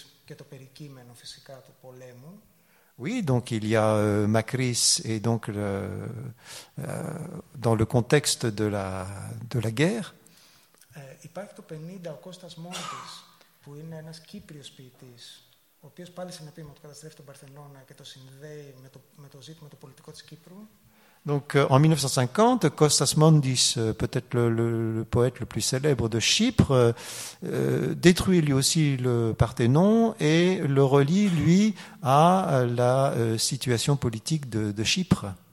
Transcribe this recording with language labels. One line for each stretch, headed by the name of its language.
Greek: και το περικείμενο φυσικά του πολέμου.
French: Oui, donc il y a Macris et donc le, dans le contexte de la guerre.
Greek: Υπάρχει το 50 ο Κώστας Μόντης, που είναι ένας Κύπριος ποιητής, ο οποίος πάλι συνεπήμα του καταστρέφει τον Μπαρθελώνα και το συνδέει με το, με το ζήτημα του πολιτικού της Κύπρου.
French: Donc en 1950, Kostas Mandis, peut-être le poète le plus célèbre de Chypre, détruit lui aussi le Parthénon et le relie lui à la situation politique de Chypre.